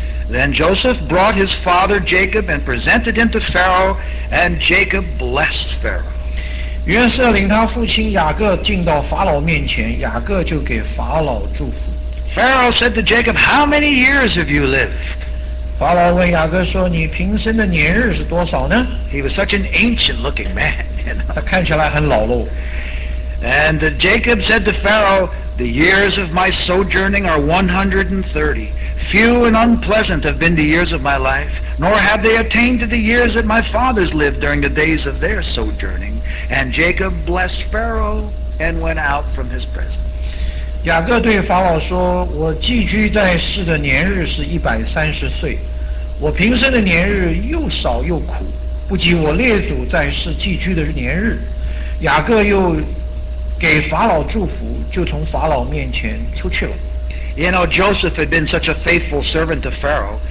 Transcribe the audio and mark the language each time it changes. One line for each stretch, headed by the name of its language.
English: Then Joseph brought his father Jacob and presented him to Pharaoh, and Jacob blessed Pharaoh.
Chinese: 约瑟领他父亲雅各进到法老面前，雅各就给法老祝福。
English: Pharaoh said to Jacob, "How many years have you lived?"
Chinese: 法老问雅各说：“你平生的年日是多少呢？”
English: He was such an ancient-looking man. You know?
Chinese: 他看起来很老喽。
English: And Jacob said to Pharaoh, "The years of my sojourning are 130. Few and unpleasant have been the years of my life. Nor have they attained to the years that my fathers lived during the days of their sojourning. And Jacob blessed Pharaoh and went out from his presence.
Chinese: 雅各对法老说，我寄居在世的年日是130岁，我平生的年日又少又苦，不及我列祖在世寄居的年日。雅各又给法老祝福，就从法老面前出去了。
English: You know, Joseph had been such a faithful servant to Pharaoh.